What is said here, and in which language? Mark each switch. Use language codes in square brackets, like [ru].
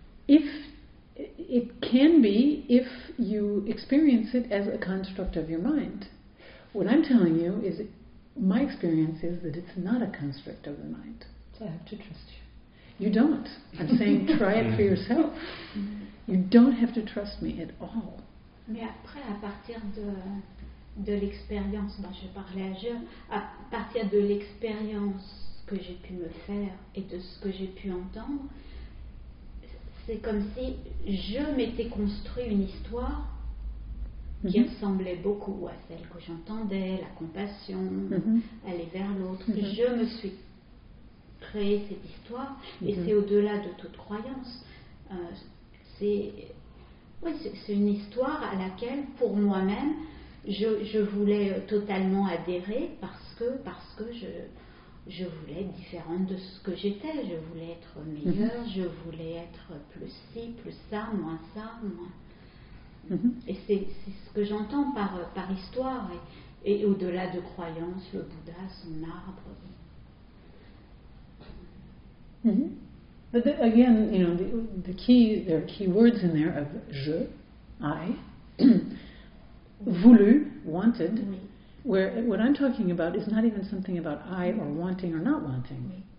[en] If it can be, if you experience it as a construct of your mind. What I'm telling you is, my experience is that it's not a construct of the mind. So I have to trust you. You don't. I'm saying try it for yourself. You don't have to trust me at all. [fr] Mais après, à partir de l'expérience dont je parlais à Jean, à partir de l'expérience que j'ai pu me faire et de ce que j'ai pu entendre, c'est comme si je m'étais construit une histoire qui ressemblait beaucoup à celle que j'entendais, la compassion, aller vers l'autre. Mm-hmm. Je me suis créé cette histoire, et c'est au-delà de toute croyance. C'est une histoire à laquelle, pour moi-même, je voulais totalement adhérer parce que je voulais être différente de ce que j'étais. Je voulais être meilleure, je voulais être plus ci, plus ça, moins ça, moins... Et c'est ce que j'entends par histoire et au-delà de croyances, le Bouddha, son arbre. [en] But the, again, you know, the key, there are key words in there of je, I, voulu, wanted, where what I'm talking about is not even something about I or wanting or not wanting.